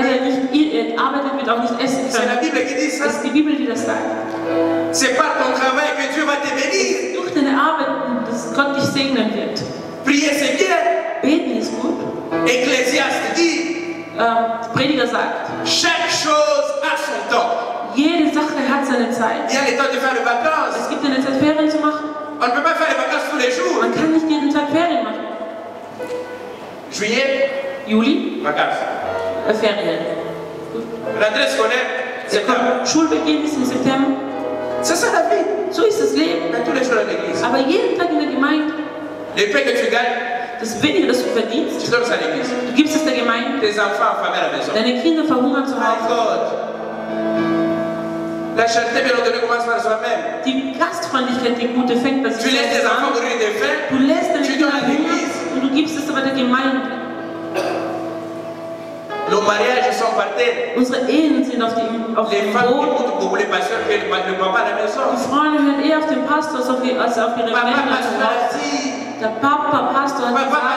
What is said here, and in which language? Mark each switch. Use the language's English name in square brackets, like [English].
[German] Der nicht arbeitet, wird auch nicht essen können. [French] C'est la Bible qui dit ça. [German] Es ist die Bibel, die das sagt. [French] C'est par ton travail que Dieu va te bénir. [German] Durch deine Arbeit, dass Gott dich segnen wird. [French] Prier, c'est bien. [German] Beten ist gut. [French] Ecclésiaste dit. [German] Prediger sagt. [French] Chaque chose a son temps. [German] Jede Sache hat seine Zeit. [French] Il y a le temps de faire les vacances. [German] Es gibt eine Zeit, Ferien zu machen. [French] On ne peut pas faire les vacances tous les jours. [German] Man kann nicht jeden Tag Ferien machen. [French] Juillet. [German] Juli. [French] Vacances. [German] Ferien. [French] L'adresse qu'on est. C'est comme [German] Schulbeginn ist im September. [French] C'est ça la vie. [German] So ist das Leben. [French] Mais tous les jours à l'église. [German] Aber jeden Tag in der Gemeinde. [French] Le peu que tu gagnes, [German] das wenige, das du verdienst, [French] tu donnes à l'église. [German] Du gibst es der Gemeinde. [French] Tes enfants affamés à la maison. [German] Deine Kinder verhungern zu Hause. [English] My God. [French] La charité bien ordonnée commence par soi-même. [German] Die Gastfreundlichkeit, die gute, fängt bei sich selbst an. [French] Tu laisses tes enfants mourir de faim. [German] Du lässt deine Kinder hungern. Und du gibst es aber der Gemeinde. [French] Nos mariages sont par terre. [German] Unsere Ehen sind auf dem Boden. [French] Les femmes ont beaucoup de problèmes parce qu'elles ne parlent pas à la maison. [German] Die Frauen hören eher auf den Pastor, als auf ihre Männer. Der Papa hat gesagt, die